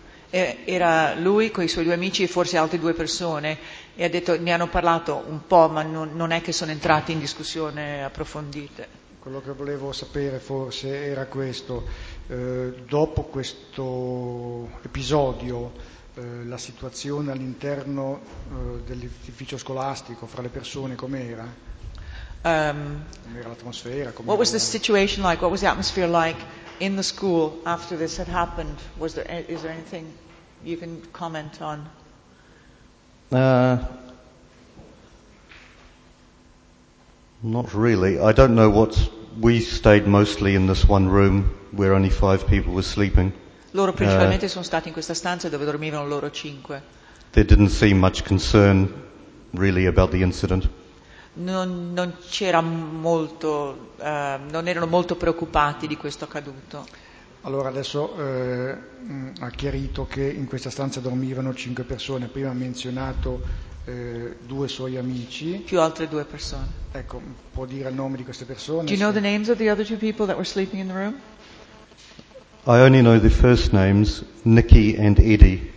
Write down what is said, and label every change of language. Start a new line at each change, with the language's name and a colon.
Italian: Era lui con i suoi due amici e forse altre due persone e ha detto ne hanno parlato un po', ma non è che sono entrati in discussione approfondite. Quello che volevo sapere forse era questo: dopo questo episodio, la situazione all'interno dell'edificio scolastico fra le persone com'era? Com'era l'atmosfera?
English: What was the situation like? What was the atmosphere like in the school after this had happened? Is there anything you can comment on? Not really. I don't know what we stayed mostly in this one room where only five people were sleeping.
Italian: Loro principalmente sono stati in questa stanza dove dormivano loro cinque.
English: There didn't seem much concern really about the incident.
Italian: Non c'era molto, non erano molto preoccupati di questo accaduto. Allora adesso ha chiarito che in questa stanza dormivano cinque persone. Prima ha menzionato due suoi amici. Più altre due persone. Ecco, può dire il nome di queste persone?
English: Do you know the names of the other two people that were sleeping in the room? I only know the first names, Nikki and Eddie.